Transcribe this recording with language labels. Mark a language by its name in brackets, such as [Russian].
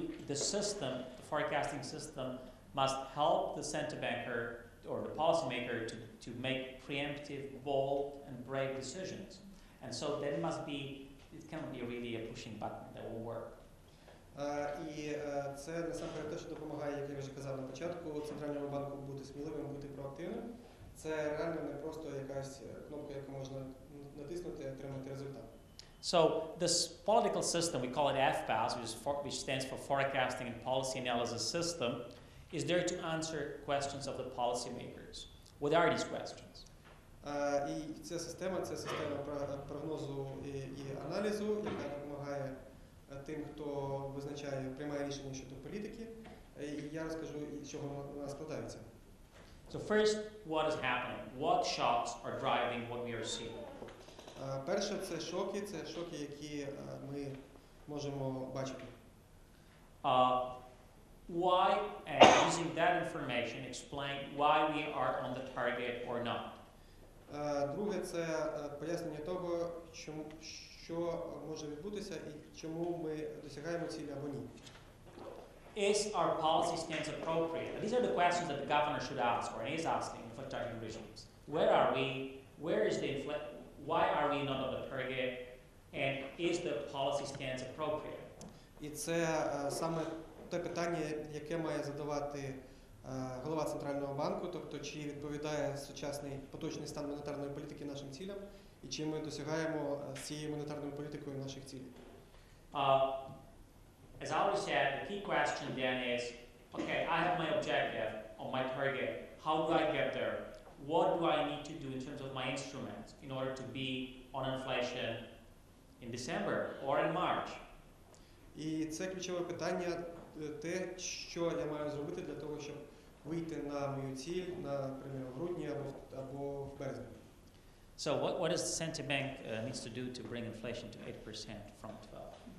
[English] The forecasting system must help the central banker or the policymaker to make preemptive, bold and brave decisions. And so that must be It cannot be really a pushing button that will work. [Ukrainian] І це насамперед те, що допомагає, як я вже казав на початку, центральному банку бути сміливим, бути проактивним. Це реально не просто якась кнопка, яку можна натиснути і отримати результат. [English] So this political system, we call it FPAS, which stands for Forecasting and Policy Analysis System, is there to answer questions of the policymakers. What are these questions? [Ukrainian] І ця система, це система прогнозу і аналізу, яка допомагає тим, хто визначає, приймає рішення щодо політики. І я розкажу, з чого вона складається. [English] So first, what is happening? What shocks are driving what we are seeing? [Ukrainian] Перше, це шоки, які ми можемо бачити. [English] Why, and using that information, explain why we are on the target or not? [Ukrainian] Друге, це пояснення того, чому, що може відбутися і чому ми досягаємо цілі або ні. [English] Is our policy stance appropriate? These are the questions that the governor should ask, or is asking, for targeting regimes. Where are we? Where is the inflation? Why are we not on the target? And is the policy stance appropriate? [Ukrainian] І це саме те питання, яке має задавати голова Центрального банку, тобто чи відповідає сучасний поточний стан монетарної політики нашим цілям, і чи ми досягаємо з цією монетарною політикою наших цілей. [English] As I always said, the key question then is, okay, I have my objective or my target, how do I get there? What do I need to do in terms of my instruments in order to be on inflation in December or in March? [Ukrainian] І це ключове питання, те, що я маю зробити для того, щоб вийти на мою ціль, наприклад, в грудні або в березні. [English] So what does the central bank needs to do to bring inflation to 8% from 12?